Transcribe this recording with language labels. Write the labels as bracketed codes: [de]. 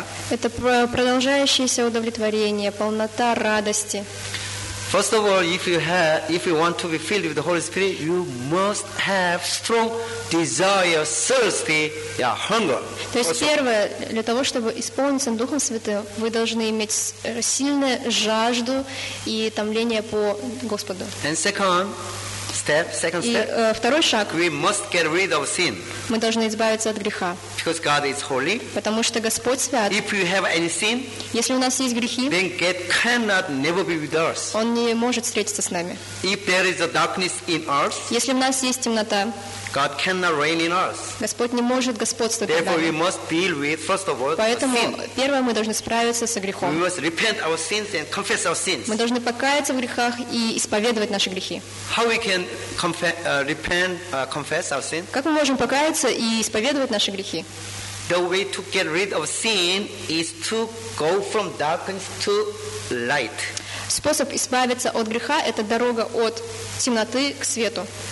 [ru] Это продолжающееся удовлетворение, полнота радости. [en] First of all, if you want to be filled with the Holy Spirit, you must have strong desire, thirsty, hunger. [ru] То есть первое, для того чтобы исполниться Духом Святым, вы должны иметь сильную жажду и томление по Господу. [en] And second, [ru] Второй шаг. [en] We must get rid of sin. [ru] Мы должны избавиться от греха. [en] Because God is holy. [ru] Потому что Господь свят. [en] If you have any sin, [ru] если у нас есть грехи, [en] then God cannot never be with us. [ru] Он не может встретиться с нами. [en] If there is a darkness in us, [ru] если у нас есть темнота, [en] God cannot reign in us. [ru] Господь не может господствовать [en] Therefore, [ru] в нами. [en] We must deal with, first of all, [ru] Поэтому [en] sin. [ru] Первое, мы должны справиться со грехом. [en] We must repent our sins and confess our sins. [ru] Мы должны покаяться в грехах и исповедовать наши грехи. [en] How we can confess our sin? [ru] Как мы можем покаяться и исповедовать наши грехи? [en] The way to get rid of sin is to go from darkness to light. [ru] Способ избавиться от греха – это дорога от темноты к свету.